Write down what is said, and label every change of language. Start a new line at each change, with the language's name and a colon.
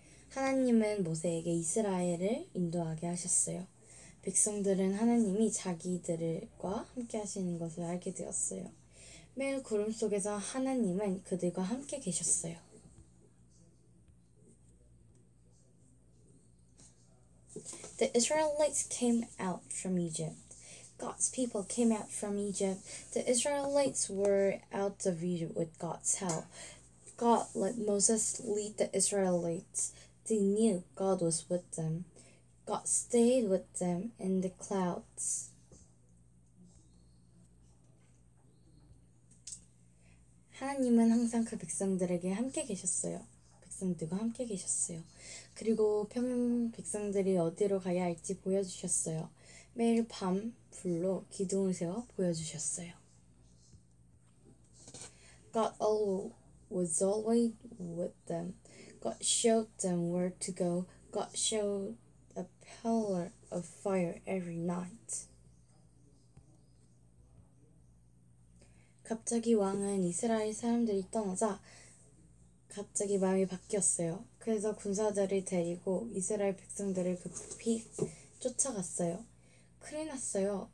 Korean: 하나님은 모세에게 이스라엘을 인도하게 하셨어요. 백성들은 하나님이 자기들과 함께 하시는 것을 알게 되었어요. 매일 구름 속에서 하나님은 그들과 함께 계셨어요.
English: The Israelites came out from Egypt. God's people came out from Egypt. The Israelites were out of Egypt with God's help. God let Moses lead the Israelites. They knew God was with them. God stayed with them in the clouds.
Korean: 하나님은 항상 그 백성들에게 함께 계셨어요. 백성들과 함께 계셨어요. 그리고 백성들이 어디로 가야 할지 보여주셨어요. 매일 밤 불로 기둥을 세워 보여주셨어요.
English: God was always with them. God showed them where to go. God showed a pillar of fire every night.
Korean: 갑자기 왕은 이스라엘 사람들이 떠나자 갑자기 마음이 바뀌었어요. 그래서 군사들을 데리고 이스라엘 백성들을 급히 쫓아갔어요. 큰일 났어요.